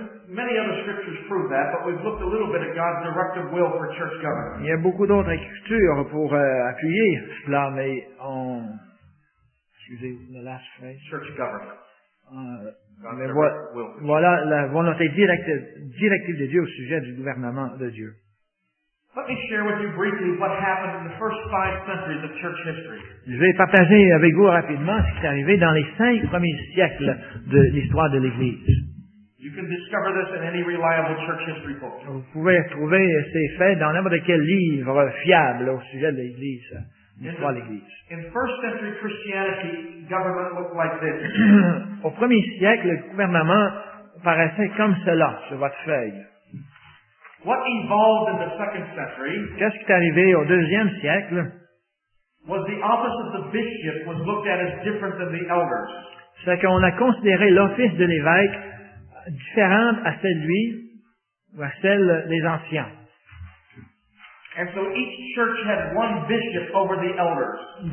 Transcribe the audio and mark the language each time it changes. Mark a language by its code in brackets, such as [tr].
[en] Many other scriptures prove that, but we've looked a little bit at God's directive will for church government. [fr] Il y a beaucoup d'autres écritures pour appuyer cela, mais on... Excusez la [en] last phrase. Church government. [fr] Voilà la volonté directive de Dieu au sujet du gouvernement de Dieu. [en] Let me share with you briefly what happened in the first 5 centuries of church history. [fr] Je vais partager avec vous rapidement ce qui est arrivé dans les 5 premiers siècles de l'histoire de l'Église. [en] You can discover this in any reliable church history book. [fr] Vous pouvez trouver ces faits dans n'importe quel livre fiable au sujet de l'Église. [en] In first century Christianity, government looked like this. [fr] Au premier siècle, le gouvernement paraissait comme cela sur votre feuille. [en] What evolved in the second century? [fr] Qu'est-ce qui est arrivé au deuxième siècle? [en] Was the office of the bishop was looked at as different than the elders? [fr] C'est qu'on a considéré l'office de l'évêque différent à celui ou à celle des anciens. [en] And so each church had one bishop over the elders.